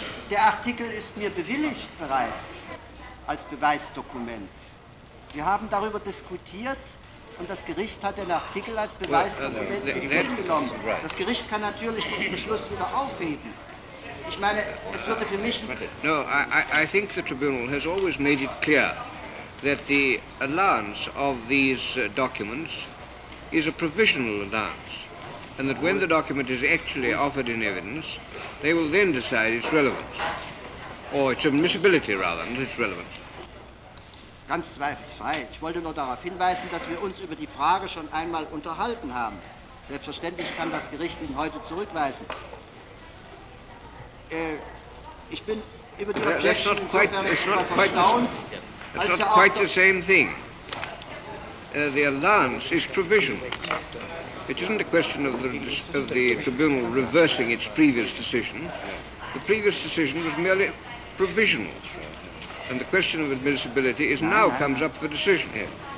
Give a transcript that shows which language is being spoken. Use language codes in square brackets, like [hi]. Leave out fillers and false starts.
[de] Der Artikel ist mir bewilligt bereits als Beweisdokument. Wir haben darüber diskutiert und das Gericht hat den Artikel als Beweisdokument entgegengenommen. Das Gericht kann natürlich diesen Beschluss wieder aufheben. Ich meine, es würde für mich... [en] No, I think the tribunal has always made it clear that the allowance of these documents is a provisional allowance, and that when the document is actually offered in evidence, they will then decide its relevance, or its admissibility rather, not its relevance. [de] Ganz zweifelsfrei. Ich wollte nur darauf hinweisen, dass wir uns über die Frage schon einmal unterhalten haben. Selbstverständlich kann das Gericht ihn heute zurückweisen. Ich bin über die Objection insofern etwas erstaunt. [en] It's not quite the same thing. The allowance is provisional. It isn't a question of the tribunal reversing its previous decision. The previous decision was merely provisional. And the question of admissibility is now comes up for decision here.